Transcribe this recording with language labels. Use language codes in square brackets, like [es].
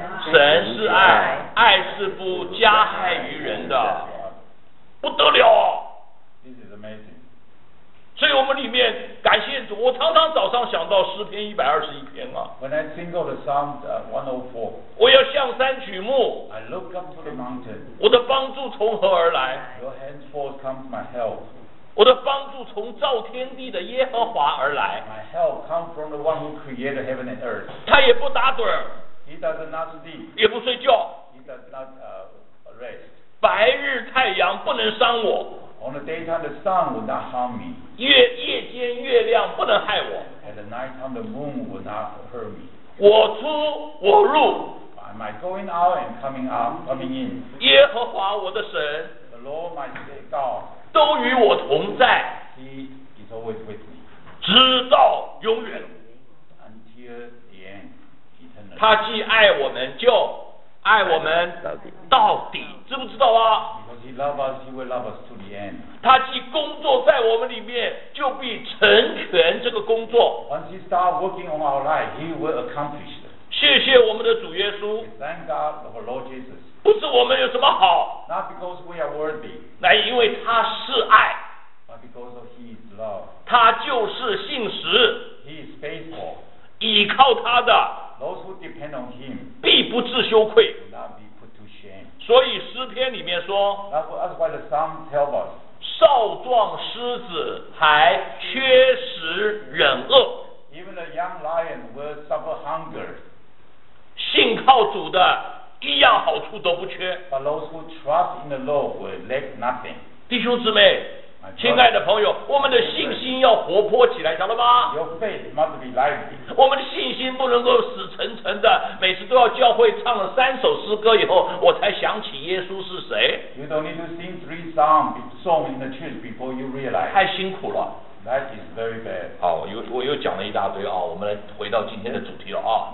[zh] 神是爱，爱是不加害于人的，不得了。 [en] This is amazing. [zh] 所以我们里面感谢主，我常常早上想到诗篇一百二十一篇啊。 [en] When I think of the Psalm 104, [zh] 我要向山举目。 [en] I look up to the mountain. [zh] 我的帮助从何而来 [en] ？Your henceforth comes my help. [zh] 我的帮助从造天地的耶和华而来。 [en] My help comes from the one who created heaven and earth. [zh] 他也不打盹。 [en] He does not sleep. [zh] 也不睡觉。 [en] He does not rest. [zh] 白日太阳不能伤我。 [en] On the daytime, the sun will not harm me. [zh] 夜间月亮不能害我。 [en] At the night time, the moon will not hurt me. [zh] 我出我入。 [en] Am I going out and coming in? [zh] 耶和华我的神。 [en] The Lord my God. [zh] 都与我同在 [en] He is always with me. [zh] 直到永远 [en] Until the end, eternally. [zh] 他既爱我们就爱我们到底知不知道啊 [en] Because he loves us, he will love us to the end. [zh] 他既工作在我们里面就必成全这个工作 [en] Once he starts working on our life, he will accomplish it. [zh] 谢谢我们的主耶稣 [en] Thank God for Lord Jesus. [zh] 不是我们有什么好 [en] Not because we are worthy, [zh] 乃因为他是爱 [en] but because of his love. [zh] 他就是信实 [en] He is faithful. [zh] 依靠他的 [en] Those who depend on him, [zh] 必不自羞愧 [en] will not be put to shame. [zh] 所以诗篇里面说 [en] That's why the Psalm tells us, [zh] 少壮狮子还缺食忍饿 [en] Even a young lion will suffer hunger. [zh] 信靠主的一样好处都不缺。 [en] But those who trust in the Lord will lack nothing. [zh] 弟兄姊妹，亲爱的朋友，我们的信心要活泼起来，晓得吗 [en] ？Your faith must be lively. [zh] 我们的信心不能够死沉沉的，每次都要教会唱了三首诗歌以后，我才想起耶稣是谁。 [en] You don't need to sing three songs in the church before you realize. [zh] 太辛苦了。 [en] That is very bad. [zh] 好，我又讲了一大堆啊，我们来回到今天的主题了啊。